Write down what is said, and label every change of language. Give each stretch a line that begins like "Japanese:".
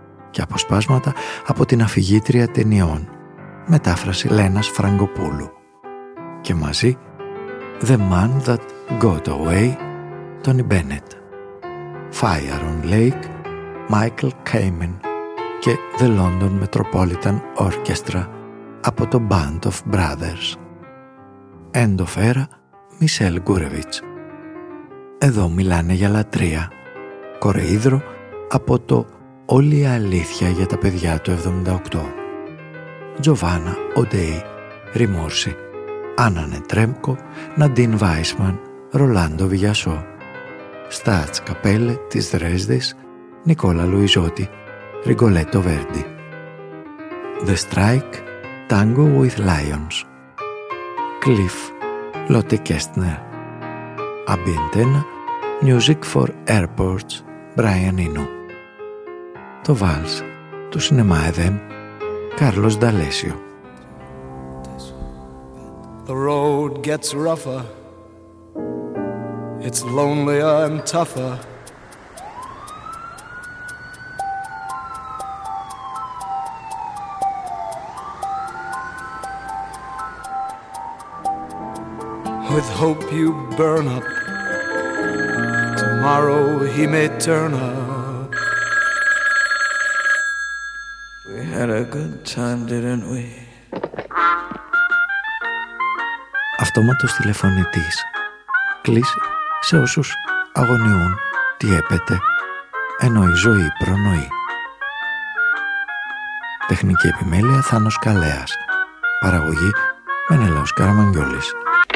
Greek: και αποσπάσματα από την αφηγήτρια ταινιών, μετάφραση Λένας Φραγκοπούλου, και μαζί «The Man That Got Away», Τόνι Μπένετ, «Fire on Lake», Michael Kamen, και «The London Metropolitan Orchestra» από το Band of Brothers. «End of Era», Μισελ Γκούρεβιτς. Εδώ μιλάνε για λατρεία. Κορεΐδρο από το «Όλη η αλήθεια για τα παιδιά» του 78. Τζοβάνα Οντέι, Ριμόρση. Άννα Νετρέμκο, Ναντίν Βάισμαν, Ρολάντο Βιγιασό. Στάτς Καπέλε της Δρέσδης, Νικόλα Λουιζότη, Ριγκολέτο Βέρντι.
English: The Strike, Tango with Lions. Cliff, Lotte Kestner. Ambientena, Music for Airports, Brian Eno.
Greek: Το Vals, του Cinema Edem, Carlos D'Alessio.
English: The road gets rougher, it's lonelier and tougher. With hope you burn up, tomorrow he may turn up. We had a good time, didn't we?
Greek: Αυτόματος τηλεφωνητής. Κλείσε σε όσους αγωνιούν τι έπεται, ενώ η ζωή προνοεί. Τεχνική επιμέλεια Θάνος Καλέας. Παραγωγή Μενέλαος Καραμαγκιόλης.